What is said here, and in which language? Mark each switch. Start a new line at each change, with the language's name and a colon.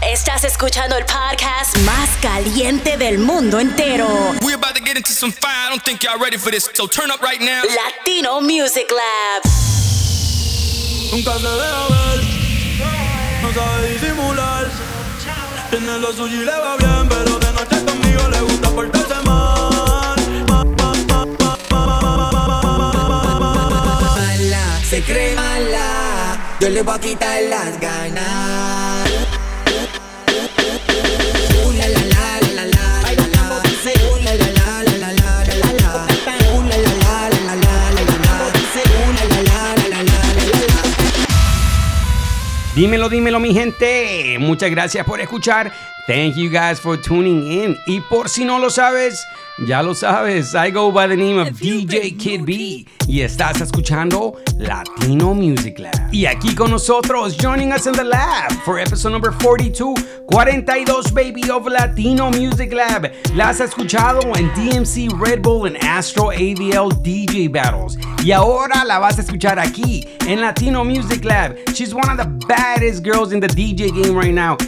Spanish: Estás escuchando el podcast más caliente del mundo entero.
English: We're about to get into some fire. I don't think y'all ready for this. So turn up right now. Latino Music Lab.
Spanish: Nunca se deja ver. No sabe disimular. Tiene lo suyo y le va bien. Pero de noche conmigo le gusta portarse mal. Mala, se cree mala. Yo le voy a quitar las ganas. Dímelo, dímelo, mi gente. Muchas gracias por escuchar.
English: Thank you guys for tuning in.
Spanish: Y por si no lo sabes, ya lo sabes.
English: I go by the name of DJ Kid B.
Spanish: Y estás escuchando Latino Music Lab. Y aquí con nosotros,
English: joining us in the lab for episode number 42, baby, of Latino Music Lab.
Spanish: La has escuchado en DMC, Red Bull, and Astro AVL DJ Battles. Y ahora la vas a escuchar aquí, en Latino Music Lab.
English: She's one of the baddest girls in the DJ game right now.